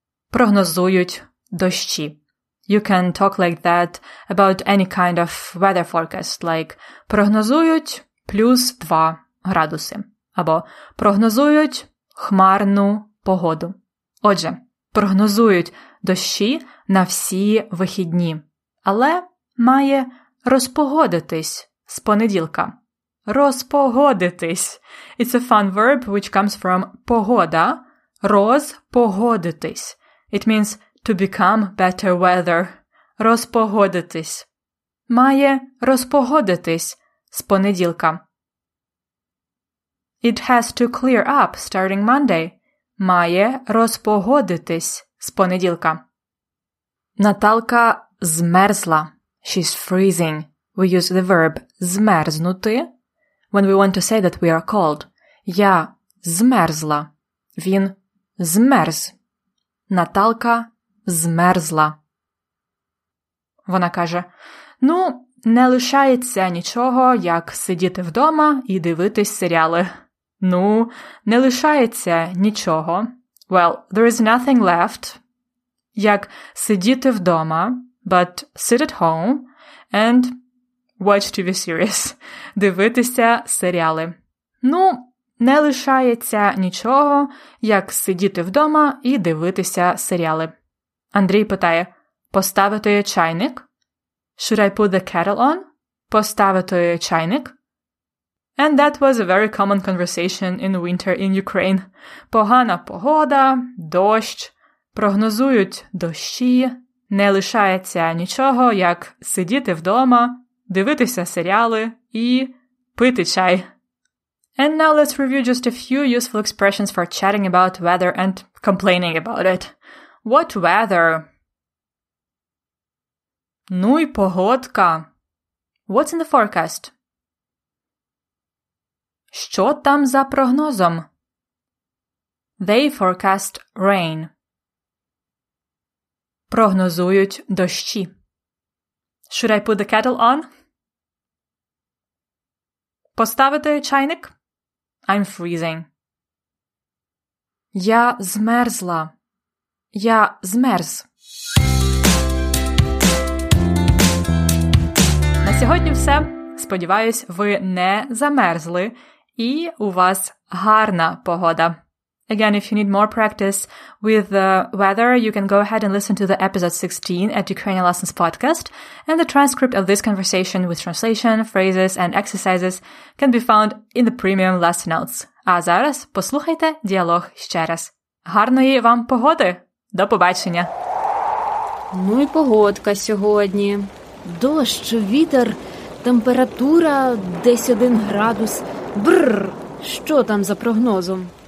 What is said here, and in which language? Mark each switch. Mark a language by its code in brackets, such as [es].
[uk] Прогнозують дощі. [en] You can talk like that about any kind of weather forecast, like [uk] прогнозують плюс 2 градуси, або прогнозують хмарну погоду. Отже, прогнозують дощі на всі вихідні, але має розпогодитись з понеділка. Розпогодитись. [en] It's a fun verb which comes from погода. Розпогодитись. It means to become better weather. [uk] Розпогодитись. Має розпогодитись з понеділка. [en] It has to clear up starting Monday. [uk] Має розпогодитись з понеділка. Наталка змерзла. [en] She's freezing. We use the verb змерзнути when we want to say that we are cold. [uk] Я змерзла. Він змерз. Наталка змерзла. Вона каже, ну, не лишається нічого, як сидіти вдома і дивитись серіали. Ну, не лишається нічого. [en] Well, there is nothing left [uk] як сидіти вдома, [en] but sit at home and watch TV series, [uk] дивитися серіали. Ну, не лишається нічого, як сидіти вдома і дивитися серіали. Андрій питає, поставити чайник? [en] Should I put the kettle on? [uk] Поставити чайник? [en] And that was a very common conversation in winter in Ukraine. [uk] Погана погода, дощ, прогнозують дощі, не лишається нічого, як сидіти вдома, дивитися серіали і пити чай. [en] And now let's review just a few useful expressions for chatting about weather and complaining about it. What weather? [uk] Ну й погодка. [en] What's in the forecast? [uk] Що там за прогнозом? [en] They forecast rain. [uk] Прогнозують дощі. [en] Should I put the kettle on? [uk] Поставити чайник? [en] I'm freezing. [uk] Я змерзла. Я змерз. На сьогодні все. Сподіваюсь, ви не замерзли і у вас гарна погода. [en] Again, if you need more practice with the weather, you can go ahead and listen to the episode 16 at Ukrainian Lessons Podcast, and the transcript of this conversation with translation, phrases, and exercises can be found in the premium lesson notes. [uk] А зараз послухайте діалог ще раз. Гарної вам погоди! До побачення! Ну і погодка сьогодні. Дощ, вітер, температура десь 1 градус. Бррр! Що там за прогнозом?